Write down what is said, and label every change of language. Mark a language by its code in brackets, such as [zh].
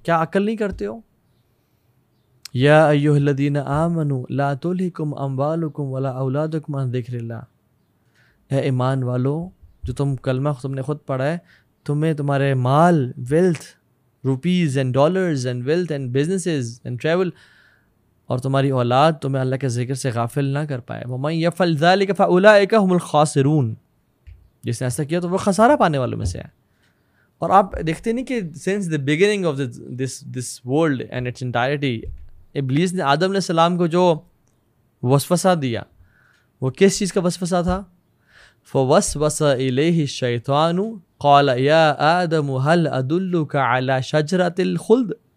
[ur] کیا عقل نہیں کرتے ہو؟ [ar] یا ایہا الذین آمنوا لا تلہکم اموالکم ولا اولادکم عن ذکر اللہ. [ur] اے ایمان والو, جو تم کلمہ تم نے خود پڑھا ہے, تمہیں تمہارے مال, [en] wealth, rupees and dollars and wealth and businesses and travel, [ur] اور تمہاری اولاد تمہیں اللہ کے ذکر سے غافل نہ کر پائے. [ar] ومن یفعل ذلک فاولئک هم الخاسرون. [ur] جس نے ایسا کیا تو وہ خسارہ پانے والوں میں سے ہے. اور آپ دیکھتے نہیں کہ [en] since the beginning of this world and its entirety, [ur] ابلیس نے آدم علیہ السلام کو جو وسوسہ دیا وہ کس چیز کا وسوسہ تھا؟ [ar] فوسوس الیہ الشیطان قال یا آدم هل ادلک علی شجرۃ الخلد.